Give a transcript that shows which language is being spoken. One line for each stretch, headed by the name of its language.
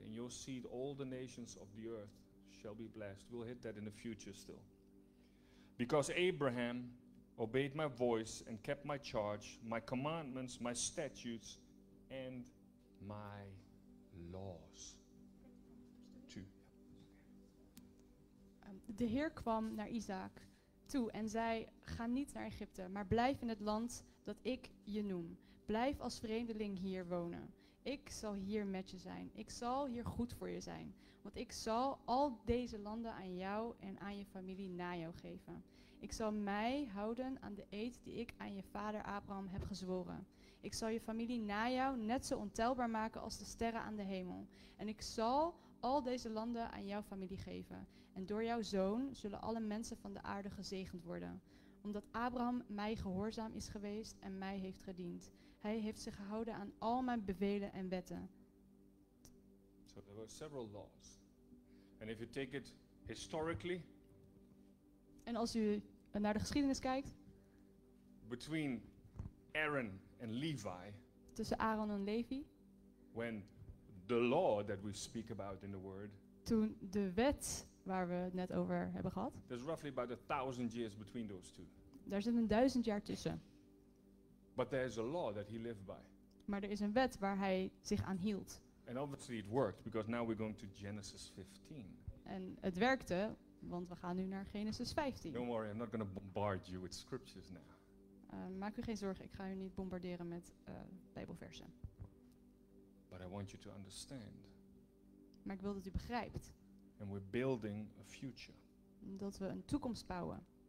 English: In your seed all the nations of the earth shall be blessed. We'll hit that in the future still. Because Abraham obeyed my voice and kept my charge, my commandments, my statutes, and my laws.
Dutch: De Heer kwam naar Isaac toe en zei, ga niet naar Egypte, maar blijf in het land dat ik je noem. Blijf als vreemdeling hier wonen. Ik zal hier met je zijn. Ik zal hier goed voor je zijn. Want ik zal al deze landen aan jou en aan je familie na jou geven. Ik zal mij houden aan de eed die ik aan je vader Abraham heb gezworen. Ik zal je familie na jou net zo ontelbaar maken als de sterren aan de hemel. En ik zal al deze landen aan jouw familie geven. En door jouw zoon zullen alle mensen van de aarde gezegend worden. Omdat Abraham mij gehoorzaam is geweest en mij heeft gediend. Hij heeft zich gehouden aan al mijn bevelen en wetten.
English: So there were several laws. And if you take it historically.
Dutch: En als u naar de geschiedenis kijkt.
English: Between Aaron and Levi.
Dutch: Tussen Aaron en Levi.
English: When the law that we speak about in the word.
Dutch: Toen de wet waar we het net over hebben gehad.
English: There's roughly about 1,000 years between those two.
Dutch: Daar zit 1,000 jaar tussen.
English: But there is a law that he lived by.
Dutch: Maar er is een wet waar hij zich aan hield.
English: And obviously it worked because now we're going to Genesis 15.
Dutch: En het werkte, want we gaan nu naar Genesis 15.
English: Don't worry, I'm not going to bombard you with scriptures now.
Dutch: Maak u geen zorgen, ik ga u niet bombarderen met Bijbelversen.
English: But I want you to understand.
Dutch: Maar ik wil dat u begrijpt.
English: And we're building a future.
Dutch: Dat we een toekomst bouwen.